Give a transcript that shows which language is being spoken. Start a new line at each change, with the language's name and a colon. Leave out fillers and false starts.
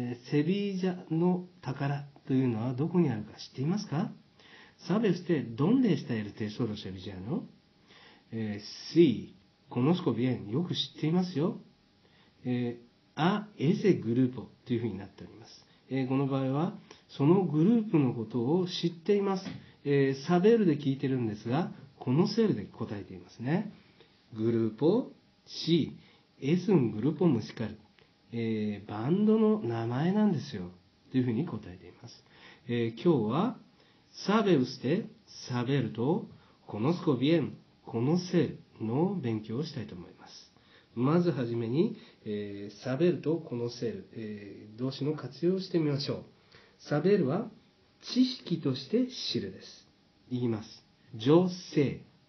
Japanese: セビジャの宝というのはどこにあるか知っていますか?
Spanish: ¿Sabe usted dónde está el tesoro sevillano? Sí, conozco bien,
Japanese: よく知っていますよ。
Spanish: A ese grupo
Japanese: というふうになっております。この場合は、そのグループのことを知っています。 saberで聞いてるんですが、conocerで答えていますね。
Spanish: グループ、Sí, es un grupo musical。
Japanese: バンドの名前なんですよ。というふうに答えています。
Spanish: 今日は、Sabe usted?
Japanese: Saber と
Spanish: conozco bien,
Japanese: conocer の勉強をしたいと思います。まずはじめに、Saber と conocer、動詞の活用をしてみましょう。 Saber は知識として知るです。言います。
Spanish: Yo sé.